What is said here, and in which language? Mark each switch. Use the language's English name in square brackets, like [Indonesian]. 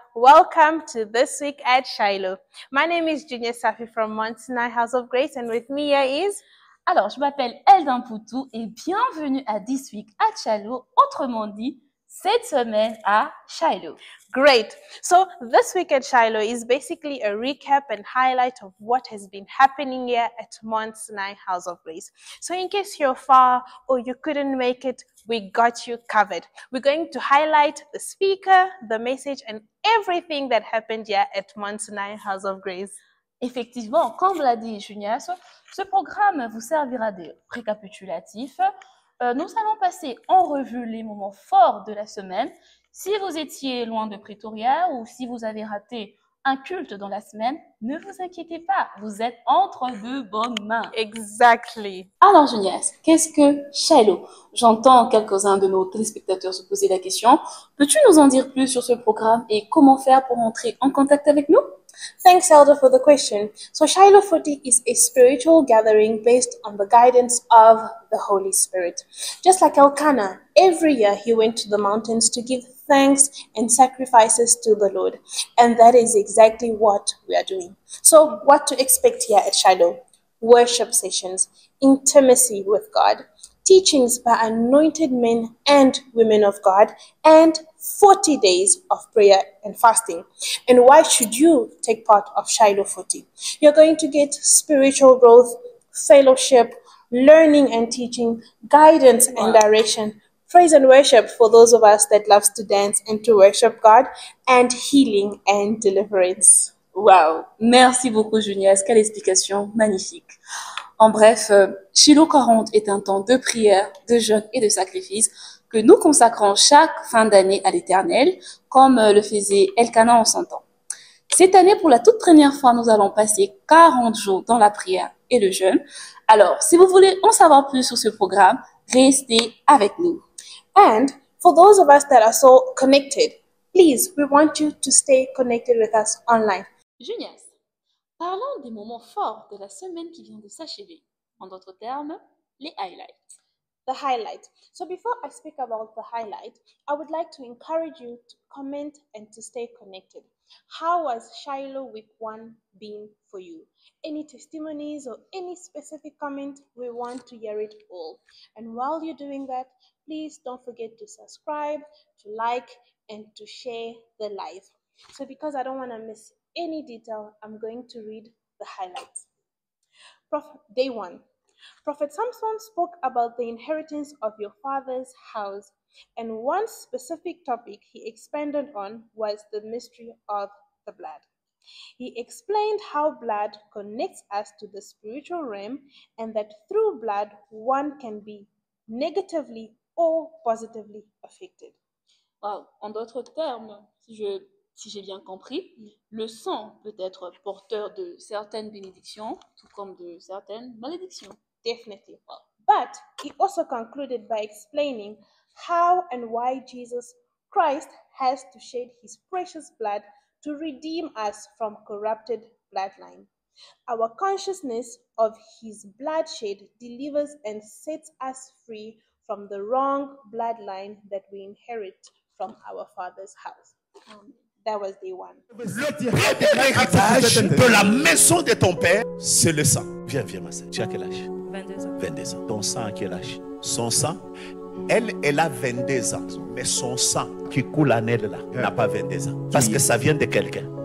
[English] Welcome to This Week at Shiloh. My name is Junior Safi from Mount Sinai House of Grace, and with me here is... [French] Alors, je m'appelle Eldin Poutou, et bienvenue à This Week at Shiloh, autrement dit, cette semaine à Shiloh. [English] Great. So, This Week at Shiloh is basically a recap and highlight of what has been happening here at Mount Sinai House of Grace. So, in case you're far or you couldn't make it, we got you covered. We're going to highlight the speaker, the message, and everything that happened here at Mount Sinai House of Grace. [French] Effectivement, comme l'a dit Junias, ce programme vous servira de récapitulatif. Nous allons passer en revue les moments forts de la semaine. Si vous étiez loin de Pretoria ou si vous avez raté un culte dans la semaine, ne vous inquiétez pas, vous êtes entre de bonnes mains. [English] Exactly. [French] Alors, Junias, qu'est-ce que Shiloh? J'entends quelques-uns de nos téléspectateurs se poser la question. Peux-tu nous en dire plus sur ce programme et comment faire pour entrer en contact avec nous? [English] Thanks, Elder, for the question. So Shiloh 40 is a spiritual gathering based on the guidance of the Holy Spirit. Just like Elkanah, every year he went to the mountains to give thanks and sacrifices to the Lord. And that is exactly what we are doing. So what to expect here at Shiloh? Worship sessions, intimacy with God, teachings by anointed men and women of God, and 40 days of prayer and fasting. And why should you take part of Shiloh 40? You're going to get spiritual growth, fellowship, learning and teaching, guidance and direction, praise and worship for those of us that loves to dance and to worship God, and healing and deliverance. [French] Wow! Merci beaucoup, Junias. Quelle explication magnifique. En bref, Shiloh 40 est un temps de prière, de jeûne et de sacrifice que nous consacrons chaque fin d'année à l'Éternel, comme le faisait Elkanah en son temps. Cette année, pour la toute première fois, nous allons passer 40 jours dans la prière et le jeûne. Alors, si vous voulez en savoir plus sur ce programme, restez avec nous. [English] And for those of us that are so connected, please, we want you to stay connected with us online. [French] Junias, parlons des moments forts de la semaine qui vient de s'achever. En d'autres termes, les highlights. [English] The highlight. So before I speak about the highlight, I would like to encourage you to comment and to stay connected. How has Shiloh Week 1 been for you? Any testimonies or any specific comment, we want to hear it all. And while you're doing that, please don't forget to subscribe, to like, and to share the live. So because I don't want to miss any detail, I'm going to read the highlights. Day 1. Prophet Samson spoke about the inheritance of your father's house, and one specific topic he expanded on was the mystery of the blood. He explained how blood connects us to the spiritual realm, and that through blood one can be negatively or positively affected. Wow. [French] En d'autres termes, si j'ai bien compris, le sang peut être porteur de certaines bénédictions, tout comme de certaines malédictions. [English] Definitely. But he also concluded by explaining how and why Jesus Christ has to shed his precious blood to redeem us from corrupted bloodline. Our consciousness of his bloodshed delivers and sets us free from the wrong bloodline that we inherit from our father's house. That was day one. [French] De la maison de ton père, c'est le sang. Viens, ma sœur. Tu as quel âge? 22 ans. Ton sang à quel âge? Son sang? Elle a 22 ans. Mais son sang qui coule en elle là n'a pas 22 ans. Parce que ça vient de quelqu'un.